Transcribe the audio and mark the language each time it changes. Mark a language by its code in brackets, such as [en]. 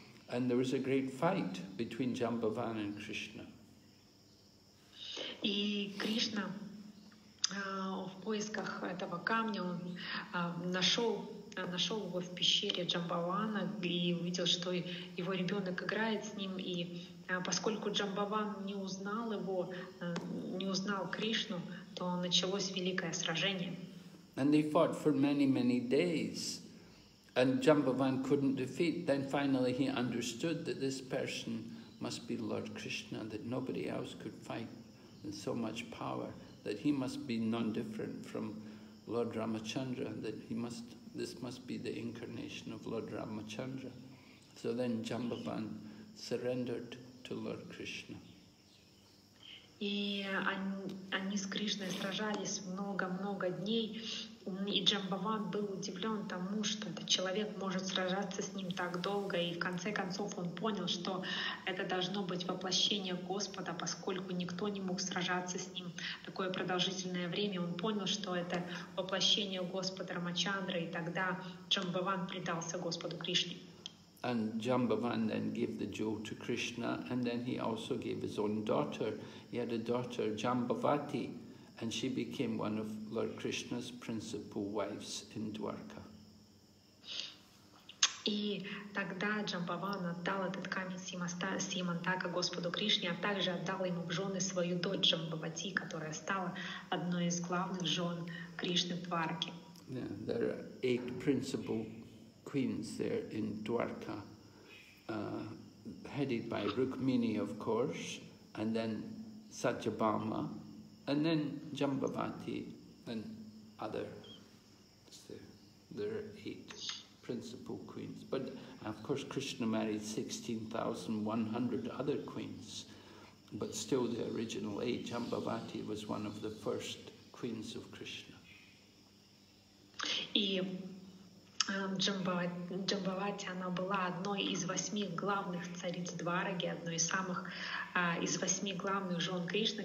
[en] And there was a great fight between Jambavan and Krishna. [ru] И Кришна в поисках этого камня он нашел его в пещере Джамбавана и увидел, что его ребенок играет с ним. И поскольку Джамбаван не узнал его, не узнал Кришну, то началось великое сражение. [en] And they fought for many, many days. And Jambavan couldn't defeat. Then finally he understood that this person must be Lord Krishna, that nobody else could fight and so much power, that he must be non-different from Lord Ramachandra, that this must be the incarnation of Lord Ramachandra. So then Jambavan surrendered to Lord Krishna. [ru] И они с Кришной сражались много-много дней, и Джамбаван был удивлен тому, что этот человек может сражаться с ним так долго, и в конце концов он понял, что это должно быть воплощение Господа, поскольку никто не мог сражаться с ним такое продолжительное время. Он понял, что это воплощение Господа Рамачандры, и тогда Джамбаван предался Господу Кришне. [en] And Jambavan then gave the jewel to Krishna, and then he also gave his own daughter. He had a daughter, Jambavati, and she became one of Lord Krishna's principal wives in Dwarka. [ru] И тогда Джамбаван отдал этот камень Симантака Господу Кришне, а также отдал ему в жены свою дочь Джамбавати, которая стала одной из главных жен Кришны в Дварке. [en] Yeah, there are eight principal queens there in Dwarka, headed by Rukmini, of course, and then Satyabhama, and then Jambavati, and other. So there are eight principal queens. But of course, Krishna married 16,100 other queens, but still the original eight. Jambavati was one of the first queens of Krishna. Yeah. [ru] Джамбавати, она была одной из восьми главных цариц Двараги, одной из самых из восьми главных жен Кришны.